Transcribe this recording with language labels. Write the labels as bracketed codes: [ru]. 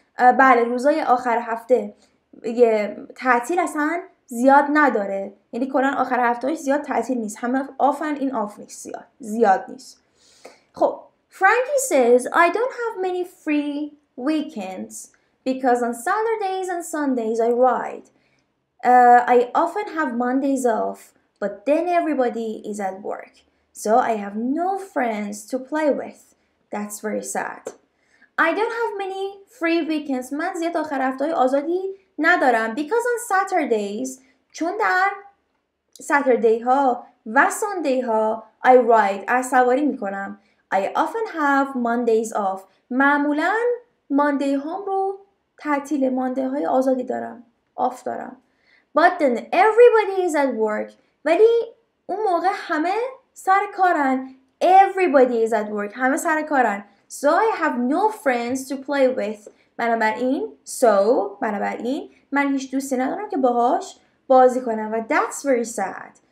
[fa] بله، روزای آخر هفته یه تعطیل اصلا زیاد نداره. یعنی کلاً آخر هفتهش زیاد تعطیل نیست. همه آفن، این آف نیست، زیاد نیست. [en] خب Frankie says I don't have many free weekends because on Saturdays and Sundays I ride. I often have Mondays off, but then everybody is at work. So I have no friends to play with. That's very sad. I don't have many free weekends. [fa] من زیاد آخر هفته های آزادی ندارم. [en] Because on Saturdays, [fa] چون در Saturday ها و Sunday ها [en] I ride. [fa] از سواری میکنم. [en] I often have Mondays off. [fa] معمولاً Monday هام رو تعطیل، Monday های آزادی دارم. [en] Off دارم. But then everybody is at work. [fa] ولی اون موقع همه سر کارن. [en] Everybody is at work. [fa] همه سر کارن. [en] So I have no friends to play with. [fa] بنابراین من هیچ دوستی ندارم که باهاش بازی کنم. و [en] that's very sad.